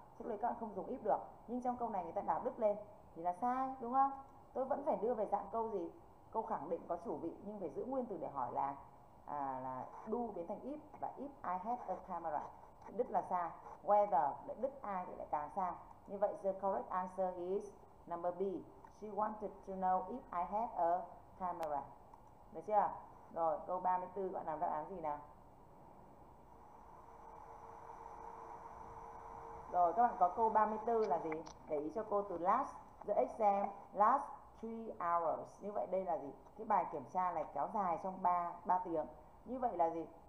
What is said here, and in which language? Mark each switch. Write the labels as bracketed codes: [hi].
[vi] Trước đây các bạn không dùng if được. Nhưng trong câu này người ta đảo đứt lên thì là sai, đúng không? Tôi vẫn phải đưa về dạng câu gì? Câu khẳng định có chủ vị nhưng phải giữ nguyên từ để hỏi là do biến thành if và [en] if I had a camera [vi] đứt là sai. Whether lại đứt ai thì lại càng sai. Như vậy [en] the correct answer is number B. She wanted to know if I had a camera. [vi] Được chưa? Rồi, câu 34 bạn làm đáp án gì nào? Rồi, các bạn có câu 34 là gì? Để ý cho cô từ last the exam, [en] last 3 hours. [vi] Như vậy đây là gì? Cái bài kiểm tra này kéo dài trong 3 tiếng. Như vậy là gì?